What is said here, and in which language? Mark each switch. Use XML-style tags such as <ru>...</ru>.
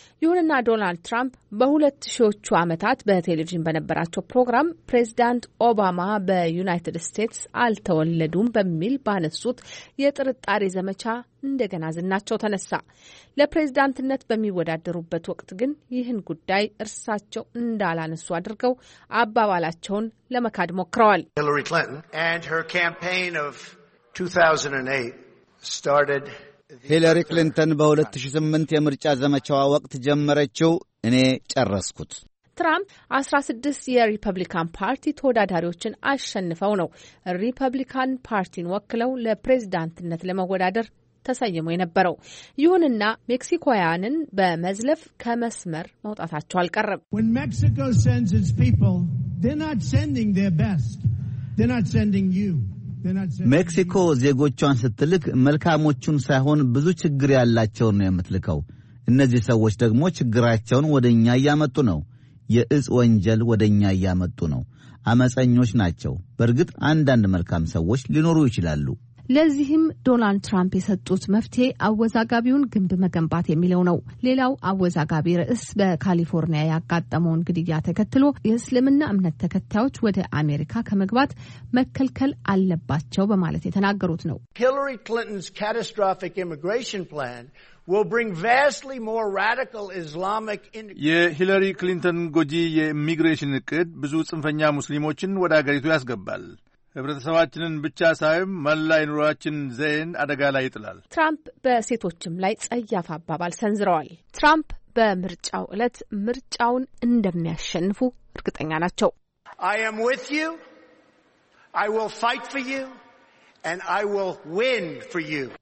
<am>ይሁንና ዶናልድ ትራምፕ በ2000ዎቹ ዓመታት በቴሌቪዥን በነበራቸው ፕሮግራም ፕሬዚዳንት ኦባማ በዩናይትድ ስቴትስ አልተወለዱም በሚል ባነሱት የጥርጣሬ ዘመቻ እንደገና ዝናቸው ተነሳ። ለፕሬዝዳንትነት በሚወዳደሩበት ወቅት ግን ይህን ጉዳይ እርሳቸው እንዳላነሱ አድርገው አባባላቸውን ለመካድ ሞክረዋል።</am> <en>ሂለሪ ክሊንተን and her campaign of 2008 started</en> <am>ሂለሪ ክሊንተን በ2008 የምርጫ ዘመቻዋ ወቅት ጀመረችው እኔ ጨረስኩት። ትራምፕ 16 የሪፐብሊካን ፓርቲ ተወዳዳሪዎችን አሸንፈው ነው ሪፐብሊካን ፓርቲን ወክለው ለፕሬዝዳንትነት ለመወዳደር ተሰየሙ የነበረው። ይሁንና ሜክሲኮያንን በመዝለፍ ከመስመር መውጣታቸው አልቀረም።</am> <en>When Mexico sends its people, they're not sending their best. They're not sending you.</en> <am>ሜክሲኮ ዜጎቿን ስትልክ መልካሞቹን ሳይሆን ብዙ ችግር ያላቸውን ነው የምትልከው። እነዚህ ሰዎች ደግሞ ችግራቸውን ወደኛ ያመጡ ነው። የእጽ ወንጀል ወደኛ ያመጡ ነው። አመጸኞች ናቸው። በርግጥ አንዳንድ መልካም ሰዎች ሊኖሩ ይችላሉ። ለዚህም ዶናልድ ትራምፕ የሰጡት መፍትሄ አወዛጋቢውን ግንብ መገንባት የሚለው ነው። ሌላው አወዛጋቢ ርዕስ በካሊፎርኒያ ያጋጠመውን ግድያ ተከትሎ የእስልምና እምነት ተከታዮች ወደ አሜሪካ ከመግባት መከልከል አለባቸው በማለት የተናገሩት ነው።</am> <en>ሂለሪ ክሊንተንስ ካታስትሮፊክ ኢሚግሬሽን ፕላን will bring vastly more radical Islamic</en> <am>የሂለሪ ክሊንተን ጎጂ የኢሚግሬሽን እቅድ ብዙ ጽንፈኛ ሙስሊሞችን ወደ አገሪቱ ያስገባል። ህብረተሰባችንን ብቻ ሳይሆን መላ ኑሯችን ዘይን አደጋ ላይ ይጥላል። ትራምፕ በሴቶችም ላይ ጸያፍ አባባል ሰንዝረዋል። ትራምፕ በምርጫው ዕለት ምርጫውን እንደሚያሸንፉ እርግጠኛ ናቸው።</am> <en>I am with you. I will fight for you and I will win for you.</en>